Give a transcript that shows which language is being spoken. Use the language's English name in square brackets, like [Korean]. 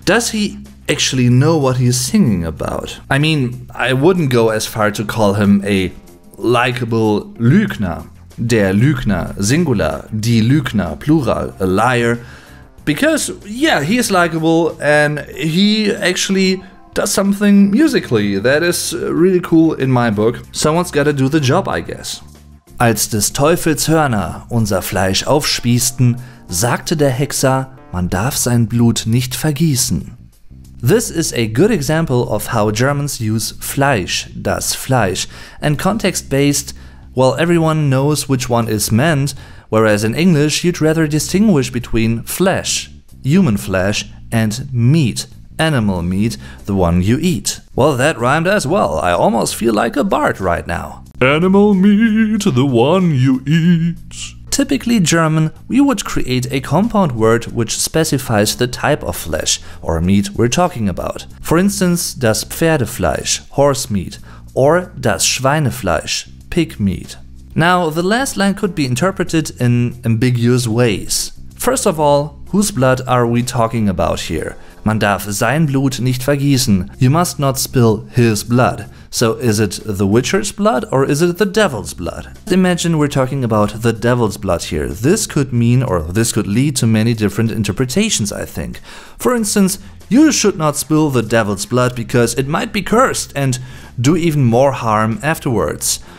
[English] Does he actually know what he's singing about? I mean, I wouldn't go as far to call him a likable Lügner. [German] Der Lügner, [English] singular, [German] die Lügner, [English] plural, a liar. Because, yeah, he is likable and he actually does something musically that is really cool in my book. Someone's gotta do the job, I guess. [German] Als des Teufels Hörner unser Fleisch aufspießten, sagte der Hexer, man darf sein Blut nicht vergießen. [English] This is a good example of how Germans use Fleisch, [German] das Fleisch, [English] and context-based, well, everyone knows which one is meant, whereas in English you'd rather distinguish between flesh, human flesh, and meat, animal meat, the one you eat. Well, that rhymed as well. I almost feel like a bard right now. Animal meat, the one you eat. Typically German, we would create a compound word which specifies the type of flesh or meat we're talking about. For instance, [German] das Pferdefleisch, [English] horse meat, or [German] das Schweinefleisch, [English] pig meat. Now, the last line could be interpreted in ambiguous ways. First of all, whose blood are we talking about here? [German] Man darf sein Blut nicht vergießen. [English] You must not spill his blood. So is it the Witcher's blood or is it the Devil's blood? Imagine we're talking about the Devil's blood here. This could mean or this could lead to many different interpretations, I think. For instance, you should not spill the Devil's blood because it might be cursed and do even more harm afterwards.